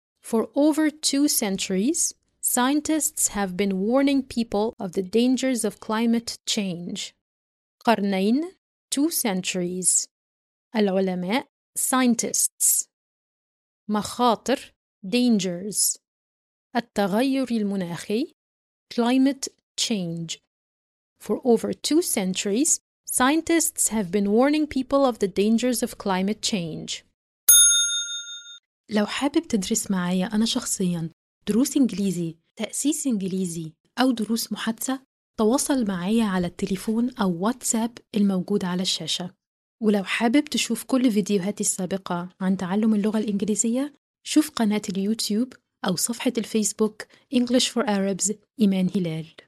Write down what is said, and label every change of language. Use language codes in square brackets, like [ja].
[en] For over two centuries, scientists have been warning people of the dangers of climate change. [ar] قرنين, [en] two centuries. [ar] العلماء, [en] scientists. [ar] مخاطر, [en] dangers. [ar] التغير المناخي, [en] climate change. For over two centuries, scientists have been warning people of the dangers of climate change. [ar] لو حابب تدرس معايا أنا شخصياً دروس إنجليزي, تأسيس إنجليزي أو دروس محادثة, تواصل معايا على التليفون أو واتساب الموجود على الشاشة. ولو حابب تشوف كل فيديوهاتي السابقة عن تعلم اللغة الإنجليزية, شوف قناة اليوتيوب أو صفحة الفيسبوك English for Arabs إيمان هلال.